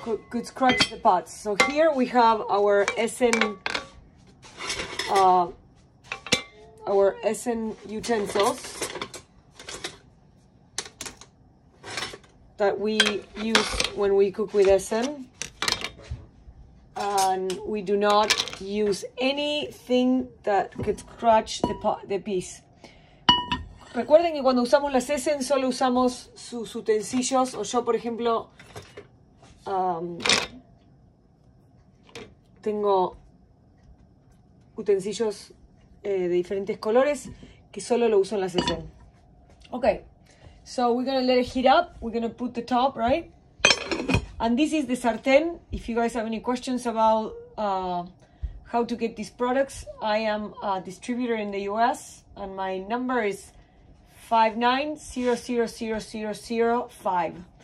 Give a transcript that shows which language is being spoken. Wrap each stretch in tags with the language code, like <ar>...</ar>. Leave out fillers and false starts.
<en>Could scratch the pots. So here we have our Essen, utensils that we use when we cook with Essen, and we do not use anything that could scratch the pot, the piece.</en> <es>Recuerden que cuando usamos las Essen solo usamos sus utensilios, o yo por ejemplo tengo utensilios de diferentes colores que solo lo uso en la sesión.</es> <en>Okay, so we're gonna let it heat up. We're gonna put the top, right? And this is the sartén. If you guys have any questions about how to get these products, I am a distributor in the US and my number is 590000005.</en>